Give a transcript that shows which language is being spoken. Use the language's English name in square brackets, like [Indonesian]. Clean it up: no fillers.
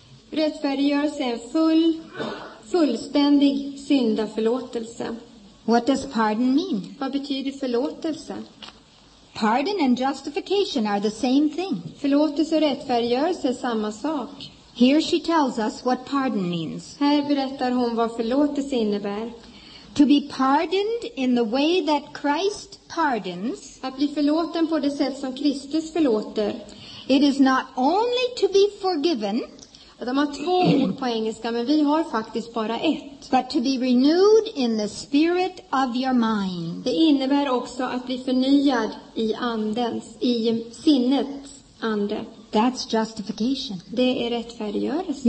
[Swedish] Rättfärdiggörelse är en fullständig syndaförlåtelse. [English] What does pardon mean? [Swedish] Vad betyder förlåtelse? [English] Pardon and justification are the same thing. [Swedish] Förlåtelse och rättfärdiggörelse är samma sak. [English] Here she tells us what pardon means. [Swedish] Här berättar hon vad förlåtelse innebär. [English] To be pardoned in the way that Christ pardons. [Swedish] Att bli förlåten på det sätt som Kristus förlåter. [English] It is not only to be forgiven. [Swedish] De har två ord på engelska, men vi har faktiskt bara ett. [English] But to be renewed in the spirit of your mind. [Swedish] Det innebär också att bli förnyad i andens, i sinnets ande. [English] That's justification. [Swedish] Det är rättfärdiggörelse.